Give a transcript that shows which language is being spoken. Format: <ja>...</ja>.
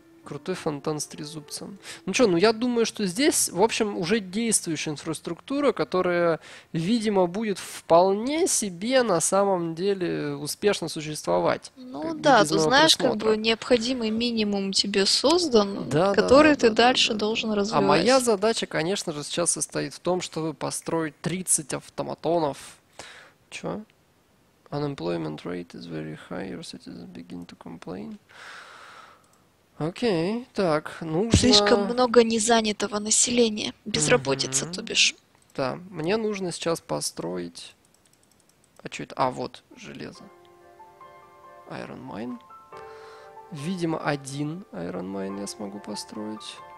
<ru>Крутой фонтан с трезубцем. Ну что, ну я думаю, что здесь, в общем, уже действующая инфраструктура, которая, видимо, будет вполне себе на самом деле успешно существовать. Ну да, ты знаешь, как бы необходимый минимум тебе создан, который ты дальше должен развивать. А моя задача, конечно же, сейчас состоит в том, чтобы построить 30 автоматонов. Че?</ru> <en>Unemployment rate is very high, your citizens begin to complain.</en> <ru>Окей, так, нужно... Слишком много незанятого населения, безработица, то бишь. Да, мне нужно сейчас построить... А что это? А, вот, железо.</ru> <en>Iron Mine.</en> <ru>Видимо, один Iron Mine я смогу построить.</ru>